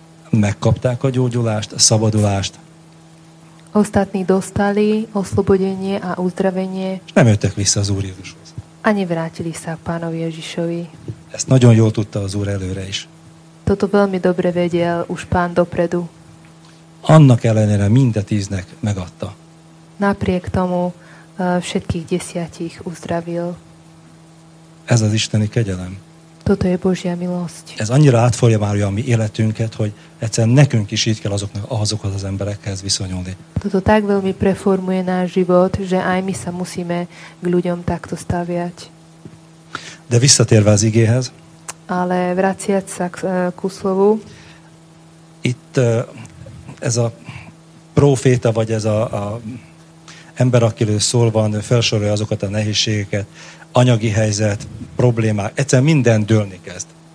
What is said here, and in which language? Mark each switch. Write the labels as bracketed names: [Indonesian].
[Hungarian] Megkapták a gyógyulást, a szabadulást. [Slovak] Ostatní dostali oslobodenie a uzdravenie. [Hungarian] És nem jöttek vissza az Úr Jézushoz. [Slovak] Ani vrátili sa Pánovi Ježišovi. [Hungarian] Ezt nagyon jól tudta az Úr előre is. [Slovak] Toto veľmi dobre vedel už Pán dopredu. [Hungarian] Annak ellenére mind a 10 megadta. [Slovak] Napriek tomu všetkých 10 uzdravil. [Hungarian] Ez az isteni kegyelem. [Slovak] Toto je Božia milosť. [Hungarian] Ez annyira átformálja a mi életünket, hogy egyszerűen nekünk is így kell azokhoz az emberekhez viszonyulni. [Slovak] Toto tak veľmi preformuje náš život, že aj my sa musíme k ľuďom takto staviať. [Hungarian] De visszatérve az igéhez. [Slovak] Ale vraciať sa ku slovu. [Hungarian] Itt ez a proféta, vagy ez a ember, akiről szól van, felsorolja azokat a nehézségeket, anyagi helyzet, problémák, egyszerűen minden dőlni kezd.